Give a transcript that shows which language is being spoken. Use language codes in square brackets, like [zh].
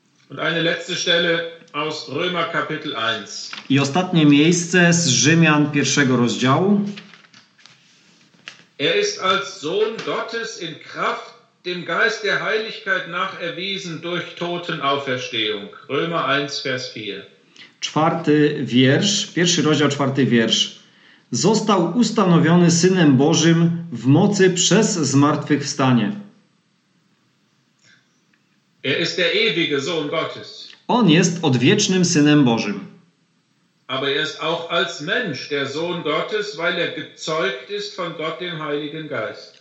[de] Und eine letzte Stelle aus Römer Kapitel 1. [pl] I ostatnie miejsce z Rzymian pierwszego rozdziału. [de] Er ist als Sohn Gottes in Kraft dem Geist der Heiligkeit nach erwiesen durch Totenauferstehung. Römer 1, Vers 4. [pl] Czwarty wiersz, pierwszy rozdział, czwarty wiersz. Został ustanowiony Synem Bożym w mocy przez zmartwychwstanie. [de] Er ist der ewige Sohn Gottes. [pl] On jest odwiecznym Synem Bożym. [de] Aber er ist auch als Mensch der Sohn Gottes, weil er gezeugt ist von Gott dem Heiligen Geist.